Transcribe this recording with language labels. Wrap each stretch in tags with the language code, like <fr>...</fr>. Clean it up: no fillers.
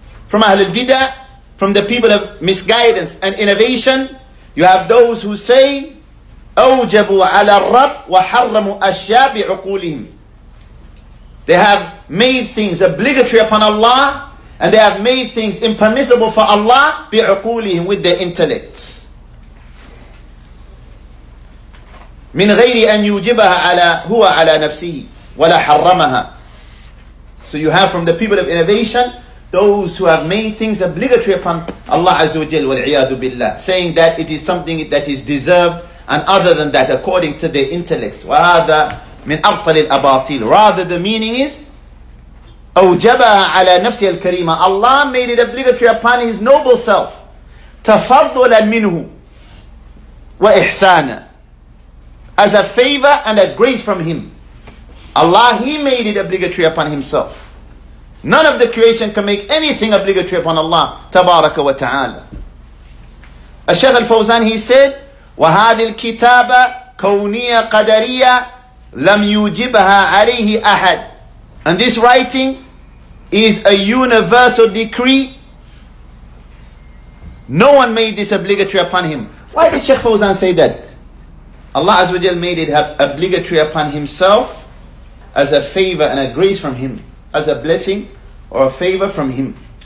<en>From Ahlul Bidah, from the people of misguidance and innovation, you have those who say,</en> <ar>أوجبوا على الرب وحرموا أشياء بعقولهم.</ar> <en>They have made things obligatory upon Allah, and they have made things impermissible for Allah, بعقولهم, with their intellects.</en> <ar>من غير أن يوجبها على هو على نفسه ولا حرمها.</ar> <en>So you have from the people of innovation, those who have made things obligatory upon Allah Azza wa Jal, wal-iyadu billah, saying that it is something that is deserved and other than that, according to their intellects.</en> <ar>وَهَذَا مِنْ أَبْطَلِ الْأَبَاطِيلِ.</ar> <en>Rather, the meaning is,</en> <ar>أَوْجَبَهَا عَلَى نَفْسِهَا الْكَرِيمَةِ.</ar> <en>Allah made it obligatory upon His noble self.</en> <ar>تَفَضُّلًا مِنْهُ وَإِحْسَانًا.</ar> <en>As a favor and a grace from Him. Allah, He made it obligatory upon Himself. None of the creation can make anything obligatory upon Allah, Tabaraka wa Ta'ala. Al-Shaykh al-Fawzan, he said,</en> <ar>وَهَذِي الْكِتَابَ كَوْنِيَ قَدَرِيَ لَمْ يُجِبْهَا عَلَيْهِ أَحَدٍ.</ar> <en>And this writing is a universal decree. No one made this obligatory upon him. Why did Shaykh Fawzan say that? Allah Azza wa Jalla made it obligatory upon Himself as a favor and a grace from Him, as a blessing or a favor from Him.</en>